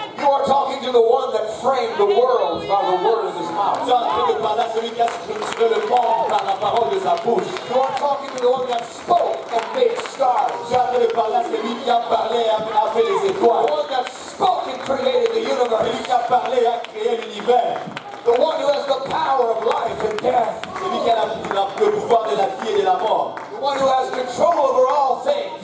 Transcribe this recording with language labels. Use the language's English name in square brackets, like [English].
[English] You are talking to the one that framed the world by the word of his mouth. [French] Tu parles à celui qui a structuré le monde par la parole de sa bouche. [English] You are talking to the one that spoke and made stars. [French] Tu parles à celui qui a parlé et a fait les étoiles. [English] The one that spoke and created the universe. [French] Celui qui a parlé et a créé l'univers. [English] The one who has the power of life and death. [French] Celui qui a le pouvoir de la vie et de la mort. [English] The one who has control over all things.